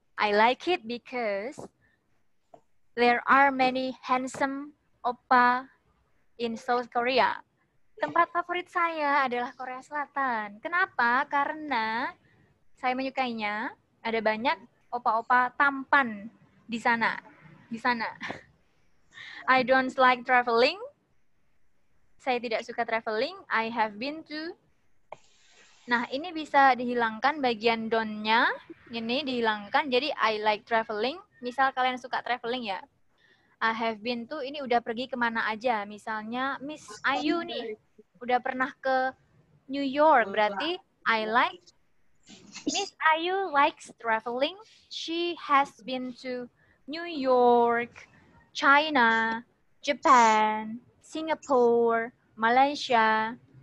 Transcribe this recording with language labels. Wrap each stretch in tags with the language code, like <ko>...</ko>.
<en>I like it because there are many handsome oppa in South Korea.</en> <id>Tempat favorit saya adalah Korea Selatan. Kenapa? Karena saya menyukainya. Ada banyak oppa-oppa tampan di sana.</id> <en>I don't like traveling.</en> <id>Saya tidak suka traveling,</id> <en>I have been to.</en> <id>Nah, ini bisa dihilangkan bagian don't-nya. Ini dihilangkan, jadi</id> <en>I like traveling.</en> <id>Misal kalian suka traveling ya.</id> <en>I have been to,</en> <id>ini udah pergi kemana aja. Misalnya, Miss Ayu nih, udah pernah ke New York. Berarti,</id> <en>I like. Miss Ayu likes traveling. She has been to New York, China, Japan, Singapore, Malaysia.</en>